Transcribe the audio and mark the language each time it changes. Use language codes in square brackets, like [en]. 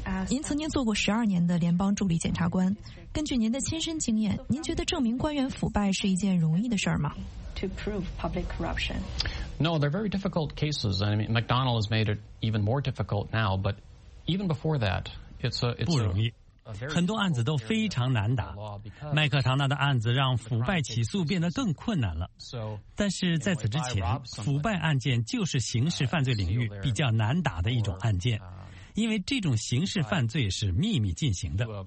[zh] 您曾经做过12年的联邦助理检察官，根据您的亲身经验，您觉得证明官员腐败是一件容易的事儿吗？ [en] To prove public corruption. No, they're very difficult cases. I mean, McDonald has made it even more difficult now. But even before that, it's [zh] 不容易。很多案子都非常难打，麦克唐纳的案子让腐败起诉变得更困难了。但是在此之前，腐败案件就是刑事犯罪领域比较难打的一种案件，因为这种刑事犯罪是秘密进行的。